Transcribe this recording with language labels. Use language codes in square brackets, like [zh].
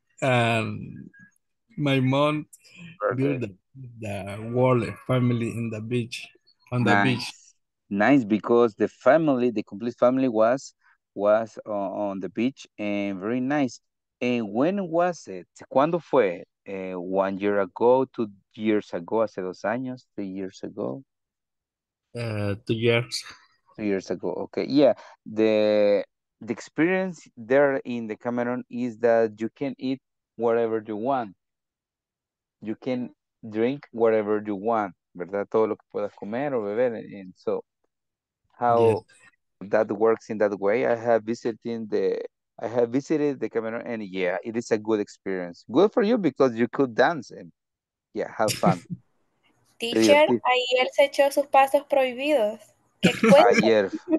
[en] My mom built the whole family in the beach on the beach. Nice, because the family, the complete family, was on the beach and very nice. And when was it? [es] ¿Cuándo fue? [en] 1 year ago, 2 years ago, [es] hace 2 años, [en] 3 years ago. 2 years ago. Okay. Yeah. The experience there in the Cameroon is that you can eat whatever you want. You can drink whatever you want, ¿verdad? [es] Todo lo que puedas comer o beber. [en] And so how that works in that way. I have visited the Cameroon, and yeah, it is a good experience. Good for you because you could dance and yeah, have fun. [es] Teacher, ayer se echó sus pasos prohibidos. ¿Qué